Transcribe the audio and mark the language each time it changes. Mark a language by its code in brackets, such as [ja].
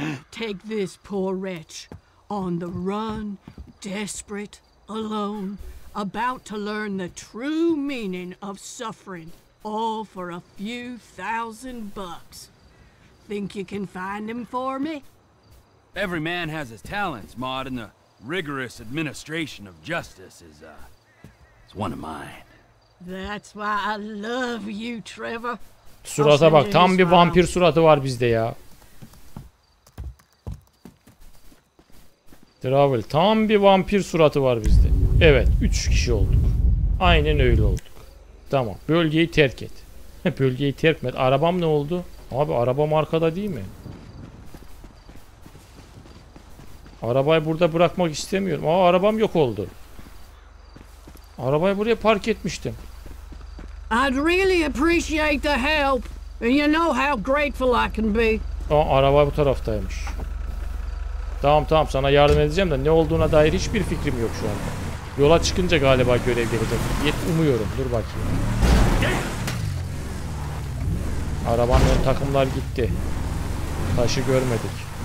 [en] Take this poor wretch, on the run, desperate, alone, about to learn the true meaning of suffering, all for a few thousand bucks. Think you can find him for me? Every man has his talents, Maud, and the rigorous administration of justice is one of mine. That's why I love you, Trevor. [tr] Surata bak, tam bir vampir suratı var bizde ya. Travel, tam bir vampir suratı var bizde. Evet, 3 kişi olduk. Aynen öyle olduk. Tamam, bölgeyi terk et. Bölgeyi terk et. Arabam ne oldu? Abi arabam arkada değil mi? Arabayı burada bırakmak istemiyorum. Aa, arabam yok oldu. Arabayı buraya park etmiştim. [en] I'd really appreciate the help. And you know how grateful I can be. [tr] Aa, araba bu taraftaymış. Tamam tamam, sana yardım edeceğim de ne olduğuna dair hiçbir fikrim yok şu anda. Yola çıkınca galiba görev gelecek. Umuyorum. Dur bakayım. Arabanın takımlar gitti. Taşı görmedik.